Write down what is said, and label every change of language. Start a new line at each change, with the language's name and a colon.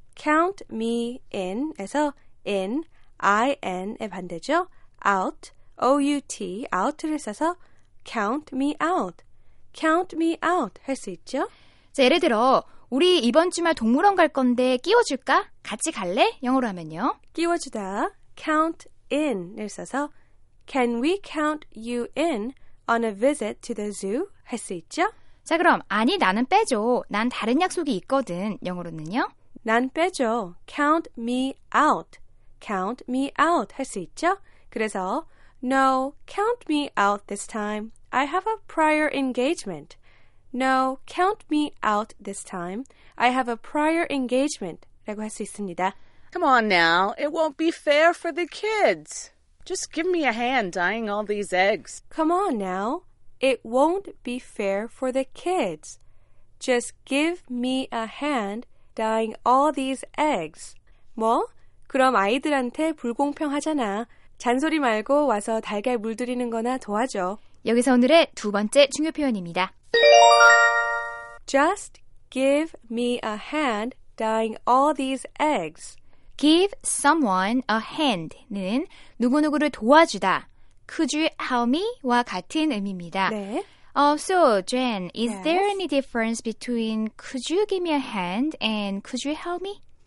English: Count me in 에서 in,
Korean: in의 반대죠.
English: Out, O-U-T, out를 써서 count me out. Count me out
Korean: 할 수 있죠? 자, 예를 들어 우리 이번 주말 동물원 갈 건데 끼워줄까? 같이 갈래? 영어로 하면요. 끼워주다,
English: count in을 써서 Can we count you in on a visit to the zoo?
Korean: 할 수 있죠? 자, 그럼 아니, 나는 빼줘. 난 다른 약속이 있거든. 영어로는요? 난 빼줘.
English: Count me out. Count me out.
Korean: 할 수 있죠?
English: 그래서 No, count me out this time. I have a prior engagement. No, count me out this time. I have a prior engagement.
Korean: 라고 할 수 있습니다.
English: Come on now. It won't be fair for the kids. Just give me a hand dyeing all these eggs. Come on now. It won't be fair for the kids. Just give me a hand dyeing all these eggs.
Korean: 뭐? 그럼 아이들한테 불공평하잖아. 잔소리 말고 와서 달걀 물들이는 거나 도와줘. 여기서 오늘의 두 번째 중요 표현입니다.
English: Just give me a hand dyeing all these eggs.
Korean: Give someone a hand는 누구누구를 도와주다.
English: Could you help me?와
Korean: 같은 의미입니다. 네.
English: So, Jen, is there any difference between could you give me a hand and could you help me?